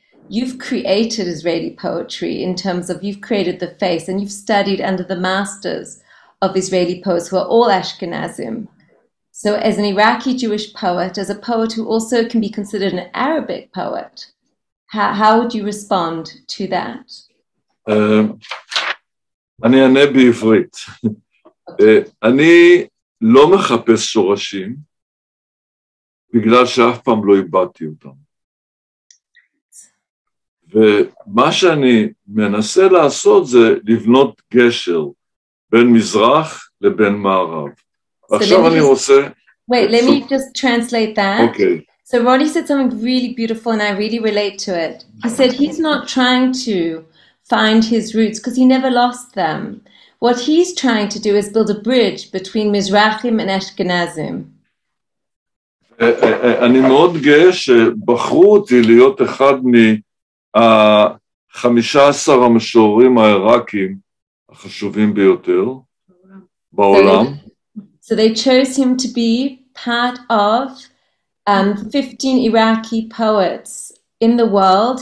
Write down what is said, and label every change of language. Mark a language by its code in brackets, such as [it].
[en] You've created Israeli poetry in terms of you've created the face, and you've studied under the masters of Israeli poets who are all Ashkenazim. So as an Iraqi Jewish poet, as a poet who also can be considered an Arabic poet, how would you respond to that? [he] אני אענה בעברית. אני לא מחפש שורשים, בגלל שאף פעם לא איבדתי אותם. ומה שאני מנסה לעשות זה לבנות גשר בין מזרח לבין מערב. עכשיו אני רוצה... [en] Wait, let me just translate that. Okay. So Ronny said something really beautiful and I really relate to it. He said he's not trying to find his roots because he never lost them. What he's trying to do is build a bridge between Mizrahim and Ashkenazim. [he] אני מאוד גאה שבחרו אותי להיות אחד מ-15 המשוררים העיראקים החשובים ביותר בעולם. [en] So they chose him to be part of 15 Iraqi poets in the world.